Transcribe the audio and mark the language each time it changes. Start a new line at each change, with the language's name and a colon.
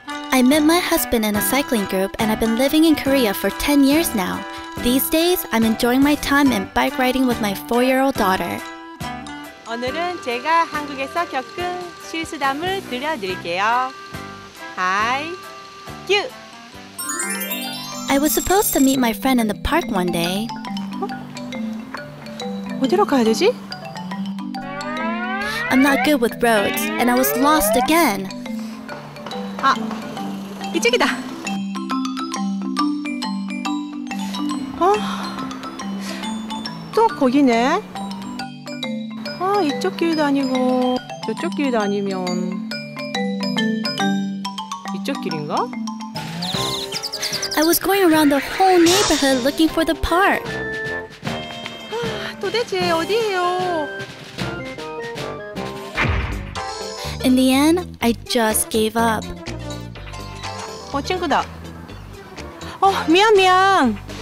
English: I met my husband in a cycling group, and I've been living in Korea for 10 years now. These days, I'm enjoying my time and bike riding with my 4-year-old daughter.
Korean: 오늘은 제가 한국에서 겪은 실수담을 들려드릴게요.
English: Thank you. I was supposed to meet my friend in the park one day.
Korean: 어디로 가야 되지?
English: I'm not good with roads, and I was lost again.
Korean: 아, 이쪽이다. 어? 또 거기네. 아, 이쪽 길도 아니고 저쪽 길도 아니면 이쪽 길인가?
English: I was going around the whole neighborhood looking for the park.
Korean: 아, 도대체 어디예요?
English: In the end, I just gave up.
Korean: 어, 친구다. 어, 미안.